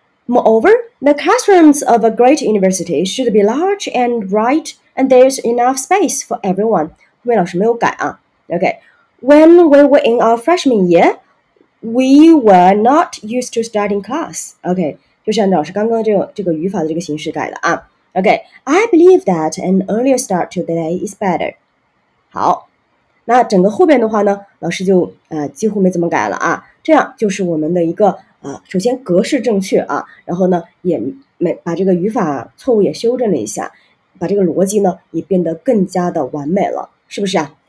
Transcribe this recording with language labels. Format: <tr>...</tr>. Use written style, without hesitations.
<en>Moreover, the classrooms of a great university should be large and bright, and there's enough space for everyone.</en> <zh>后面老师没有改啊。</zh> <en>OK, when we were in our freshman year, we were not used to starting class.</en> <zh>OK, 就是按照老师刚刚这个语法的这个形式改的啊。</zh> <en>OK, I believe that an earlier start to the day is better.</en> <zh>好，那整个后边的话呢，老师就几乎没怎么改了啊。这样就是我们的一个。首先格式正确啊，然后呢也没把这个语法错误也修正了一下，把这个逻辑呢也变得更加的完美了，是不是啊？</zh>